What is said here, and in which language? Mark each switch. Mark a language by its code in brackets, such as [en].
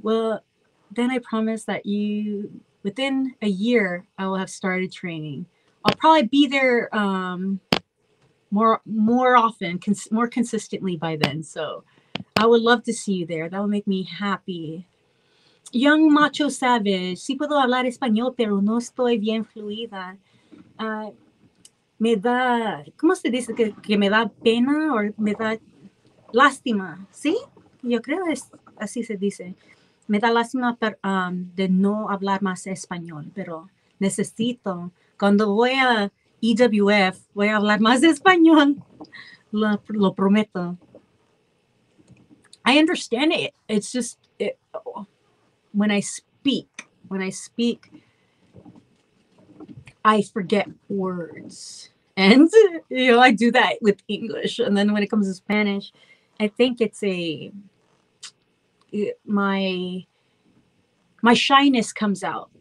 [en] Well, then I promise that you, within a year, I will have started training. I'll probably be there more often, more consistently by then. So I would love to see you there. That would make me happy. Young Macho Savage. [es] Si puedo hablar español, pero no estoy bien fluida. Me da, ¿cómo se dice? Que me da pena o me da lástima. ¿Sí? Yo creo es así se dice. Me da lástima de no hablar más español, pero necesito. Cuando voy a EWF, voy a hablar más español. Lo prometo. [en] I understand it. It's just when I speak, I forget words. And, you know, I do that with English. And then when it comes to Spanish, I think it's my shyness comes out.